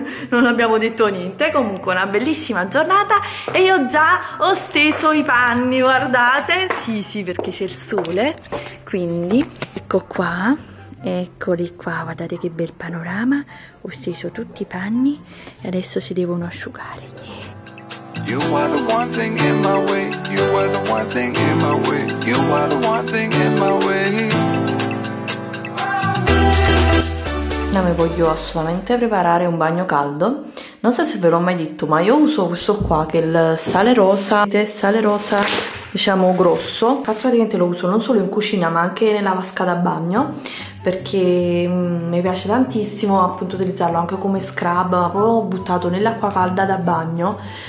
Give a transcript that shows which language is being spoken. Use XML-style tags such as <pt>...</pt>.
<it>Non abbiamo detto niente, comunque una bellissima giornata e io già ho steso i panni, guardate. Sì, perché c'è il sole. Quindi, ecco qua, eccoli qua, guardate che bel panorama. Ho steso tutti i panni e adesso si devono asciugare.</it> <en>Yeah. You are the one thing in my way, you are the one thing in my way, you are the one thing in my way.</en> <it>No, mi voglio assolutamente preparare un bagno caldo. Non so se ve l'ho mai detto, ma io uso questo qua che è il sale rosa. Vedete, sale rosa, diciamo grosso. Faccio praticamente, lo uso non solo in cucina ma anche nella vasca da bagno, perché mi piace tantissimo appunto utilizzarlo anche come scrub, proprio buttato nell'acqua calda da bagno.</it>